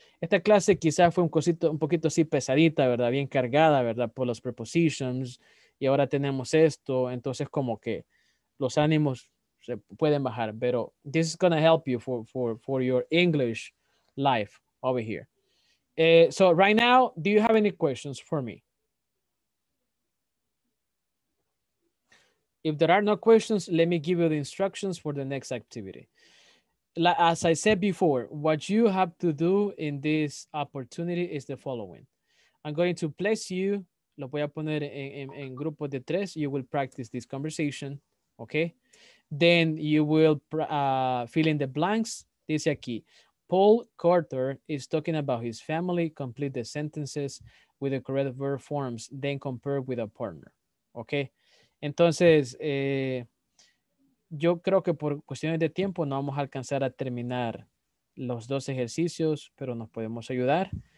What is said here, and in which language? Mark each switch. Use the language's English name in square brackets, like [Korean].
[Spanish] Esta clase quizás fue un poquito así pesadita, ¿verdad? Bien cargada, ¿verdad? Por los prepositions. Y ahora tenemos esto. Entonces, como que los ánimos se pueden bajar. [English] Pero this is going to help you for your English life over here. So right now, do you have any questions for me? If there are no questions, let me give you the instructions for the next activity. As I said before, what you have to do in this opportunity is the following. I'm going to place you, [Spanish] lo voy a poner en grupo de tres, [English] you will practice this conversation, okay? Then you will fill in the blanks, [Spanish] dice aquí. [English] Paul Carter is talking about his family. Complete the sentences with the correct verb forms, then compare with a partner. Okay. [Spanish] Entonces, yo creo que por cuestiones de tiempo no vamos a alcanzar a terminar los dos ejercicios, pero nos podemos ayudar.